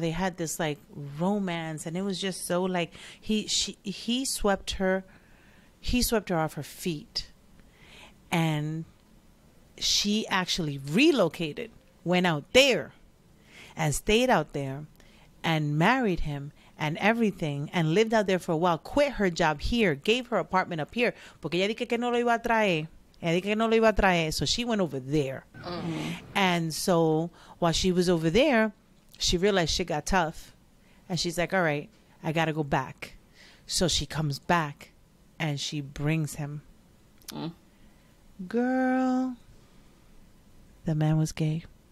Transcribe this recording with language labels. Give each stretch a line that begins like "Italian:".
English: They had this like romance, and it was just so like he swept her off her feet, and she actually relocated, went out there, and stayed out there, and married him. And everything, and lived out there for a while, quit her job here, gave her apartment up here.
Spanish: Porque ella dije que no lo iba a traer. Ella dije que no lo iba a traer.
English: So she went over there. Mm-hmm. And so while she was over there, she realized shit got tough. And she's like, all right, I got to go back. So she comes back and she brings him. Mm. Girl, the man was gay.